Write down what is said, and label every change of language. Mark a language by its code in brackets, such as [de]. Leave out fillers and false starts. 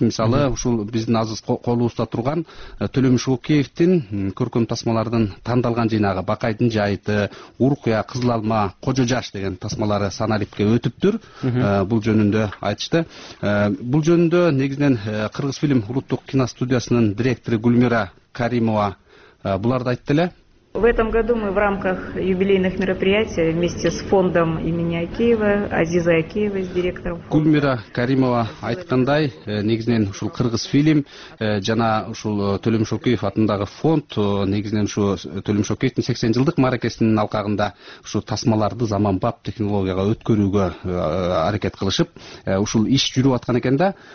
[ky] Мисалы ушул биздин азыр колубузда турган Төлөмүш Шокеевдин көркөм тасмалардын тандалган жыйнагы, Бакайдын жайыты, Уркуя, Кызыл алма, Кожо жаш деген тасмалары санарипке өтүптүр. Бул жөнүндө айтышты. Бул жөнүндө негизинен кыргыз фильм улуттук киностудиясынын директору Гүлмира Каримова буларды айтты эле. [ru] В этом году мы в рамках юбилейных мероприятий вместе с фондом имени Акеева, Азиза Акеева, с директором фонда. [ky] Гүлмира Каримова айткандай, негизинен ушул кыргыз фильм жана ушул Төлөмүш Шокеев атындагы фонд негизинен ушу Төлөмүш Шокеевдин 80 жылдык мааракесинин алкагында ушул тасмаларды заманбап технологияга өткөрүүгө аракет кылышып ушул иш жүрүп аткан экен да.